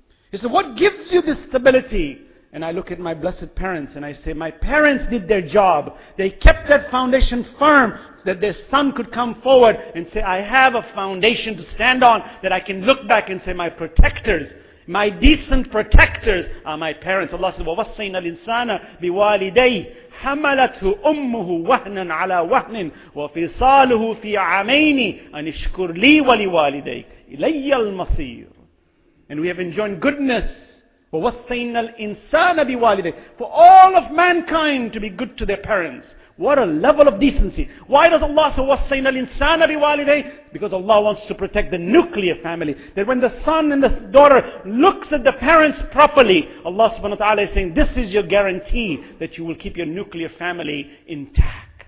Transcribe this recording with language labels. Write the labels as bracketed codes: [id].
[en] He said, what gives you this stability? And I look at my blessed parents and I say, my parents did their job. They kept that foundation firm so that their son could come forward and say, I have a foundation to stand on that I can look back and say, my protectors, my decent protectors are my parents. Allah says, [ar] وَوَصَّيْنَا الْإِنسَانَ بِوَالِدَيْهِ حَمَلَتْهُ أُمُّهُ وَهْنًا عَلَى وَهْنٍ وَفِصَالُهُ فِي عَمَيْنِ أَنِ اشْكُرْ لِي وَلِوَالِدَيْكَ إِلَيَّ الْمَصِيرُ. [en] And we have enjoined goodness. [ar] وَوَصَّيْنَا الْإِنسَانَ بِوَالِدَيْهِ. [en] For all of mankind to be good to their parents. What a level of decency. Why does Allah say, [ar] وَصَّيْنَا الْإِنسَانَ بِوَالِدَيْهِ? [en] Because Allah wants to protect the nuclear family. That when the son and the daughter looks at the parents properly, Allah subhanahu wa ta'ala is saying, this is your guarantee that you will keep your nuclear family intact.